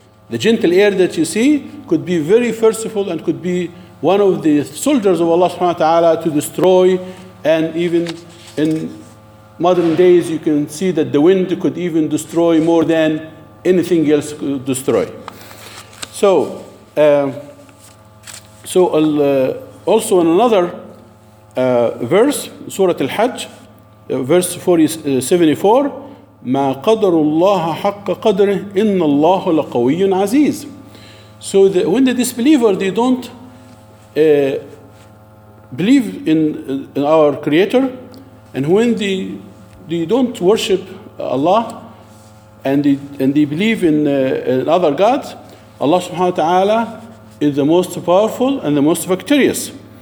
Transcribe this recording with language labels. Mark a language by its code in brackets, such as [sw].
[en] The gentle air that you see could be very merciful and could be one of the soldiers of Allah subhanahu wa ta'ala to destroy. And even in modern days, you can see that the wind could even destroy more than anything else could destroy. So also in another verse, Surah Al-Hajj, verse 74, [ar] مَا قَدَرُ اللَّهَ حَقَّ قَدْرِهِ إِنَّ اللَّهُ لَقَوِيٌّ عَزِيزٌ. [en] So when the disbelievers, they don't believe in our Creator, and when they don't worship Allah, and they believe in other gods, Allah subhanahu wa ta'ala is the most powerful and the most victorious.